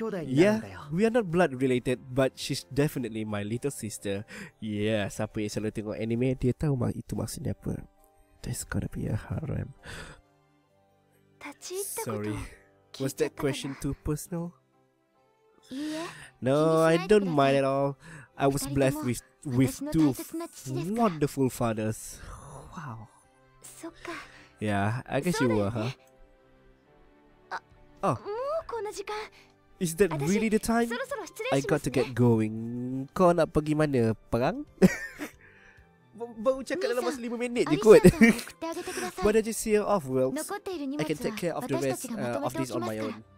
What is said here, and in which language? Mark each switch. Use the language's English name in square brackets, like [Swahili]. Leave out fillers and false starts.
[English] Yeah, we are not blood related, but she's definitely my little sister. [Malay] Yeah, siapa yang selalu tengok anime, dia tahu itu maksudnya apa. [English] There's gotta be a harem. Sorry. Was that question too personal? No, I don't mind at all. I was blessed with two wonderful fathers. Wow. Yeah, I guess you were, huh? Oh. Is that really the time? I got to get going. [Malay] Kau nak pergi mana? Perang? Baru cakap dalam masa 5 minit je kot. [English] Why don't you see her off, Wilkis? I can take care of the rest of this on my own.